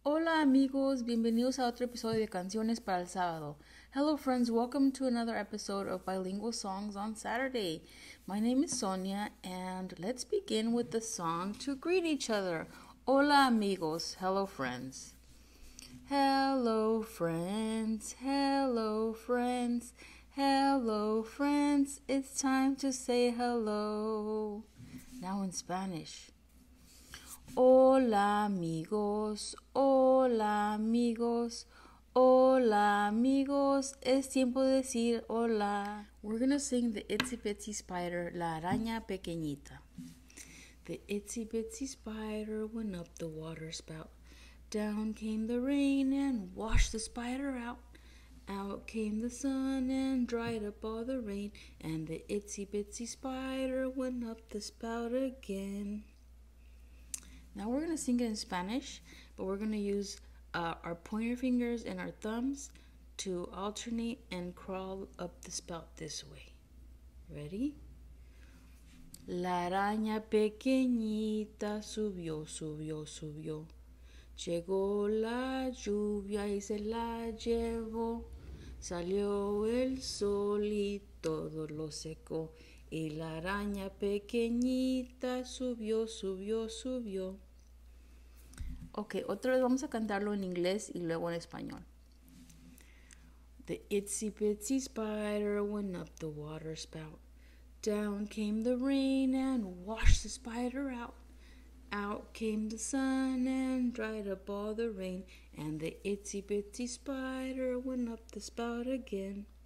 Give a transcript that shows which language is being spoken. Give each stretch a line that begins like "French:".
Spanish: Amigos, bienvenidos a otro episodio de Canciones para el Sábado.
English: Hello friends, welcome to another episode of Bilingual Songs on Saturday. My name is Sonia and let's begin with the song to greet each other.
Spanish: Hola amigos,
English: hello friends. Hello friends, hello friends, hello friends, it's time to say hello. Now in Spanish.
Spanish: Hola amigos, hola amigos, hola amigos, es tiempo de decir hola.
English: We're gonna sing the itsy bitsy spider,
Spanish: la araña pequeñita.
English: The itsy bitsy spider went up the water spout. Down came the rain and washed the spider out. Out came the sun and dried up all the rain. And the itsy bitsy spider went up the spout again. Now we're going to sing it in Spanish, but we're going to use our pointer fingers and our thumbs to alternate and crawl up the spout this way. Ready?
Spanish: La araña pequeñita subió, subió, subió. Llegó la lluvia y se la llevó. Salió el sol y todo lo secó. Y la araña pequeñita subió, subió, subió. Okay, otra vez vamos a cantarlo en inglés y luego en español.
English: The itsy bitsy spider went up the water spout. Down came the rain and washed the spider out. Out came the sun and dried up all the rain. And the itsy bitsy spider went up the spout again.